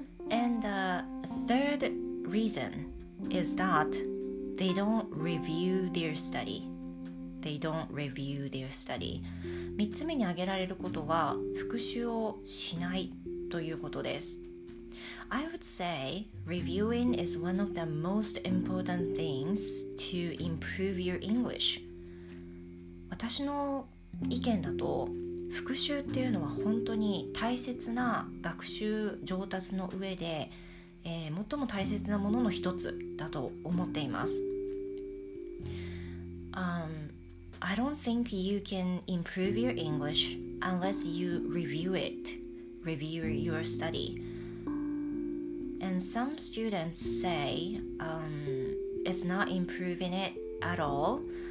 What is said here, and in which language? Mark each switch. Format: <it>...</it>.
<en>And the third reason is that they don't review their study. They don't review their study.</en> <ja>三つ目に挙げられることは復習をしないということです。</ja> <en>I would say reviewing is one of the most important things to improve your English.</en> <ja>私の意見だと、復習っていうのは本当に大切な学習上達の上で、最も大切なものの一つだと思っています。</ja> <en>I don't think you can improve your English unless you review it, review your study. And some students say it's not improving it at all</en>